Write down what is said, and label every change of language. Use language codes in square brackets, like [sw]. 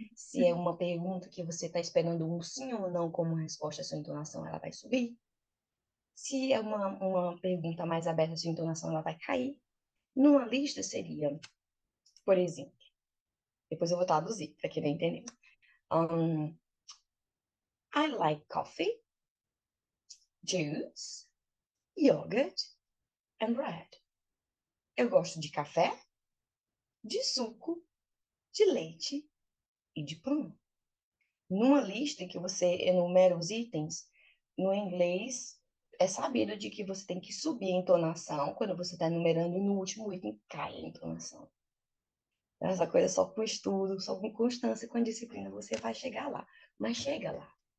[pt] Se é uma pergunta que você está esperando um sim ou não como resposta, a sua entonação ela vai subir. Se é uma pergunta mais aberta, a sua entonação ela vai cair. Numa lista seria, por exemplo, depois eu vou traduzir para quem não entendeu. [en] I like coffee, juice, yogurt and bread. [pt] Eu gosto de café, de suco, de leite e de pão. Numa lista que você enumera os itens, no inglês é sabido de que você tem que subir a entonação. Quando você está enumerando, no último item cai a entonação. Essa coisa é só com estudo, só com constância, com disciplina, você vai chegar lá. Mas chega lá.